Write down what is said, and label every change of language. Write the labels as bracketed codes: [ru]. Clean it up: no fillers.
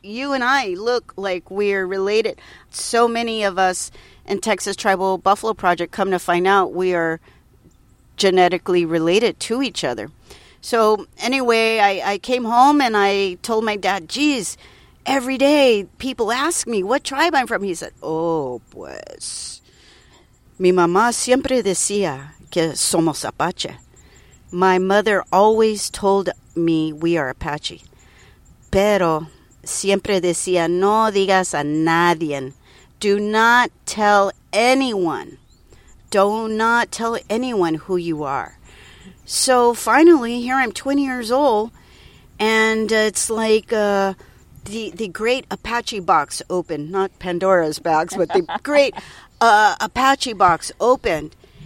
[en] You and I look like we're related. So many of us in Texas Tribal Buffalo Project come to find out we are genetically related to each other. So anyway, I came home and I told my dad, geez, every day people ask me what tribe I'm from. He said, oh, [es] pues, mi mamá siempre decía que somos Apache. [en] My mother always told me we are Apache. [es] Pero siempre decía, no digas a nadie. [en] Do not tell anyone. Do not tell anyone who you are. So finally, here I'm 20 years old, and it's like the great Apache box opened. Not Pandora's box, but the great Apache box opened.